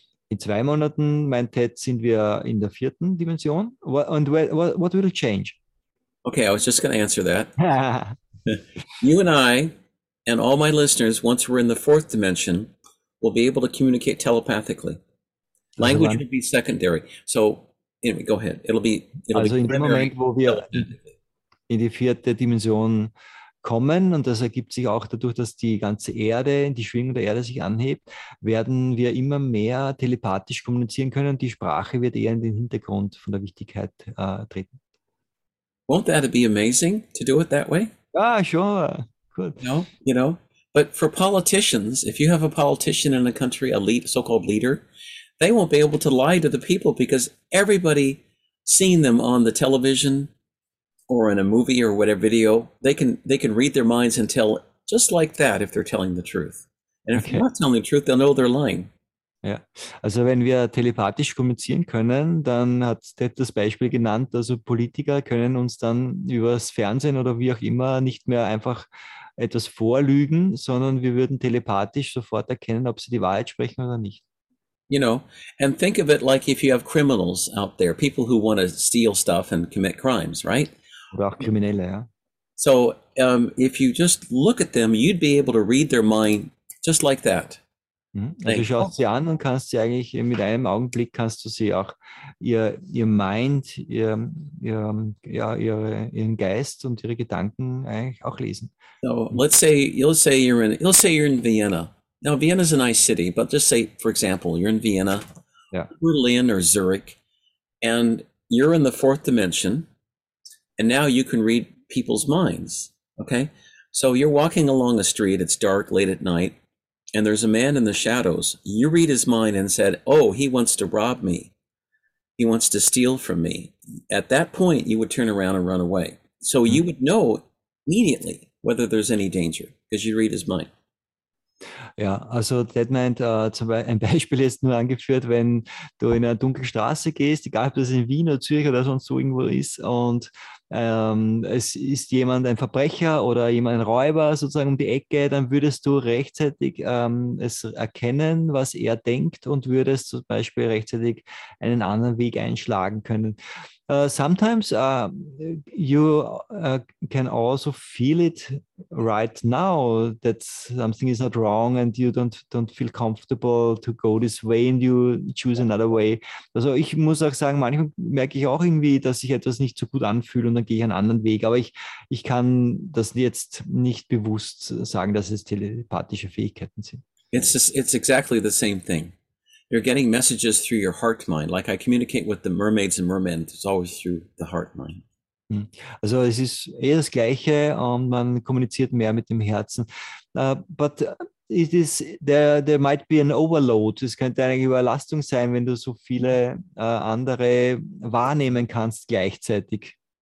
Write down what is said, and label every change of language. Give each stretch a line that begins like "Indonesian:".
German: In 2 Monaten, meint Ted, sind wir in der vierten Dimension.
English: And what will change? Okay, I was just going to answer that. You and I, and all my listeners, once we're in the fourth dimension, we'll be able to communicate telepathically. Language will be secondary. So, anyway, go ahead. It'll be
German: in dem Moment, wo wir in die vierte Dimension kommen, und das ergibt sich auch dadurch, dass die ganze Erde, die Schwingung der Erde sich anhebt, werden wir immer mehr telepathisch kommunizieren können. Die Sprache wird eher in den Hintergrund von der Wichtigkeit treten.
English: Won't that be amazing to do it that way? Ah, sure. Good. No, you know. But for politicians, if you have a politician in a country, a so-called leader, they won't be able to lie to the people because everybody seeing them on the television or in a movie or whatever video, they can read their minds and tell just like that if they're telling the truth. And if they're not telling the truth, they'll know they're lying.
German: Ja, also wenn wir telepathisch kommunizieren können, dann hat Ted das Beispiel genannt, also Politiker können uns dann übers Fernsehen oder wie auch immer nicht mehr einfach etwas vorlügen, sondern wir würden telepathisch sofort erkennen, ob sie die Wahrheit sprechen oder nicht.
English: You know, and think of it like if you have criminals out there, people who want to steal stuff and commit crimes, right?
German: Oder auch Kriminelle, ja.
English: So, if you just look at them, you'd be able to read their mind just like that.
German: Also du schaust sie an und kannst sie eigentlich mit einem Augenblick, kannst du sie auch ihren Geist und ihre Gedanken eigentlich auch lesen.
English: So, let's say you're in Vienna. Now Vienna is a nice city, but just say for example you're in Vienna, Berlin or Zurich, and you're in the fourth dimension, and now you can read people's minds. Okay, so you're walking along a street. It's dark, late at night. And there's a man in the shadows. You read his mind and said, oh, he wants to rob me. He wants to steal from me. At that point, you would turn around and run away. So you would know immediately whether there's any danger because you read his mind.
German: Ja, also Ted meint, ein Beispiel jetzt nur angeführt, wenn du in einer dunklen Straße gehst, egal ob das in Wien oder Zürich oder sonst so irgendwo ist, und es ist jemand ein Verbrecher oder jemand ein Räuber sozusagen um die Ecke, dann würdest du rechtzeitig es erkennen, was er denkt, und würdest zum Beispiel rechtzeitig einen anderen Weg einschlagen können.
English: Sometimes you can also feel it right now that something is not wrong and you don't feel comfortable to go this way and you choose another way.
German: Also ich muss auch sagen, manchmal merke ich auch irgendwie, dass ich etwas nicht so gut anfühle und dann gehe ich einen anderen Weg. Aber ich kann das jetzt nicht bewusst sagen, dass es telepathische Fähigkeiten sind.
English: It's exactly the same thing. You're getting messages through your heart mind. Like I communicate with the mermaids and mermen, it's always through the heart mind.
German: Also es ist eher das Gleiche, und man kommuniziert mehr mit dem Herzen.
English: But it is there might be an overload.
German: Es könnte eine Überlastung sein, wenn du so viele andere wahrnehmen kannst gleichzeitig.